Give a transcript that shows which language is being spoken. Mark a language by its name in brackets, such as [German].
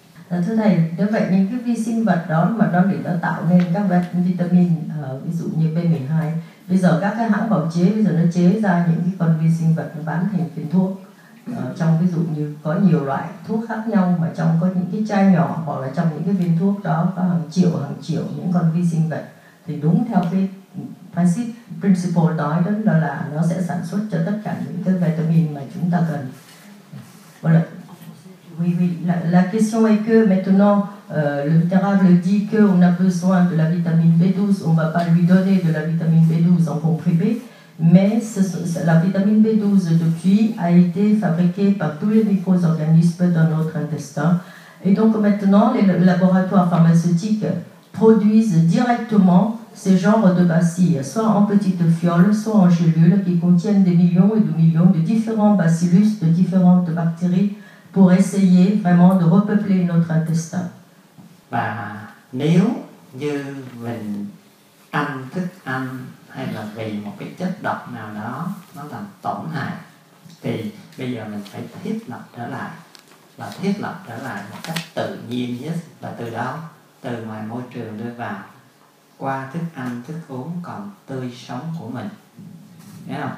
[Vietnamese] Thưa thầy, nếu vậy những cái vi sinh vật đó mà nó bị nó tạo nên các vitamin, ví dụ như B12, bây giờ các cái hãng bảo chế bây giờ nó chế ra những cái con vi sinh vật bán thành phiên thuốc, trong ví dụ như có nhiều loại thuốc khác nhau mà trong có những cái chai nhỏ hoặc là trong những cái viên thuốc đó có hàng triệu những con vi sinh vật, thì đúng theo cái basic principle đó, đó là nó sẽ sản xuất cho tất cả những cái vitamin mà chúng ta cần. [French] Oui, la question est que maintenant le littérable dit que on a besoin de la vitamine B12, on va pas lui donner de la vitamine B12 en comprimé, mais la vitamine B12 depuis a été fabriquée par tous les micro-organismes dans notre intestin, et donc maintenant les laboratoires pharmaceutiques produisent directement ces genres de bacilles, soit en petites fioles, soit en gélules qui contiennent des millions et des millions de différents bacillus de différentes bactéries pour essayer vraiment de repeupler notre intestin. [Vietnamese] Và nếu như mình ăn thức ăn hay là vì một cái chất độc nào đó nó làm tổn hại thì bây giờ mình phải thiết lập trở lại, và thiết lập trở lại một cách tự nhiên nhất, và từ đó từ ngoài môi trường đưa vào qua thức ăn thức uống còn tươi sống của mình, thấy không?